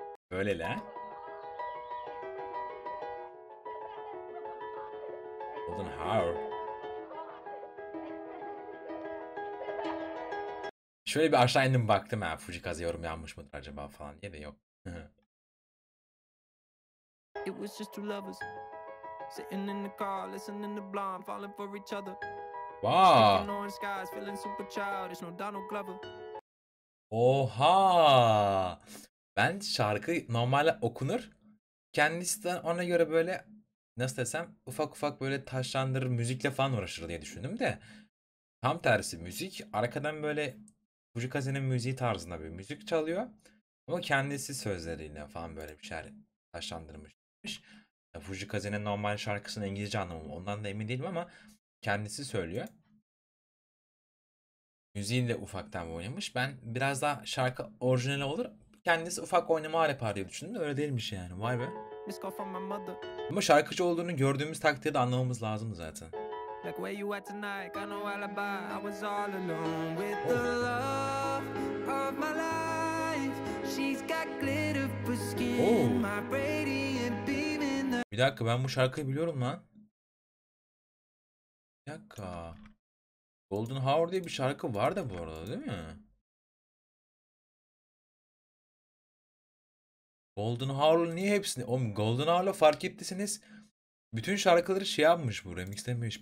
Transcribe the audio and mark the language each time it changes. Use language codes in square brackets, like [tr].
[tr] Öyle lan. [en] Golden Heart. [tr] Şöyle bir aşağı indim baktım, ha Fujikaze yorum yanmış mıdır acaba falan diye de yok. [en] It was just two lovers sitting in the car listening to blind falling for each other. Wow. Sticking on skies feeling super childish, no Donald Glover. [tr] Oha. Ben şarkı normalde okunur. Kendisi de ona göre böyle nasıl desem ufak ufak böyle taşlandırır müzikle falan uğraşır diye düşündüm de. Tam tersi, müzik arkadan böyle Fujikaze'nin müziği tarzında bir müzik çalıyor. Ama kendisi sözleriyle falan böyle bir şeyler taçlandırmış. Fujikaze'nin normal şarkısının İngilizce anlamı, ondan da emin değilim ama kendisi söylüyor. Müziğiyle ufaktan oynamış. Ben biraz daha şarkı orijinal olur. Kendisi ufak oynama yapar diye düşündüm de öyle değilmiş yani. Vay be. [en] Miss call from my mother. [tr] Ama şarkıcı olduğunu gördüğümüz takdirde anlamamız lazım zaten. [en] Like where you at tonight, got no alibi. I was all alone with the Oh. love of my life. She's got glitter for skin, Oo. my radiant beam in the... [tr] Bir dakika, ben bu şarkıyı biliyorum lan. Bir dakika. Golden Hour diye bir şarkı var da bu arada, değil mi? Golden Hour niye hepsini? Oğlum, Golden Hour'la fark ettiyseniz bütün şarkıları şey yapmış bu, remixlemiş.